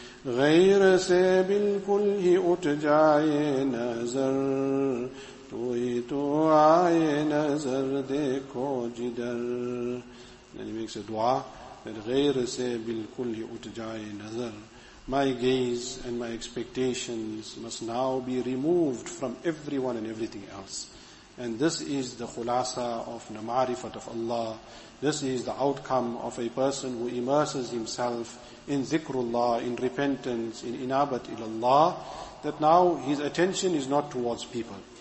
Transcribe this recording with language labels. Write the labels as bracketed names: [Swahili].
[Urdu] غیر سے بالکل ہی اٹھ جائے نظر تو ہی تو آئے نظر دیکھو جدر. [English] And he makes a dua that [Urdu] غیر سے بالکل ہی اٹھ جائے نظر. [English] My gaze and my expectations must now be removed from everyone and everything else. And this is the khulasa of the ma'rifat of Allah. This is the outcome of a person who immerses himself in zikrullah, in repentance, in inabat ilallah, that now his attention is not towards people.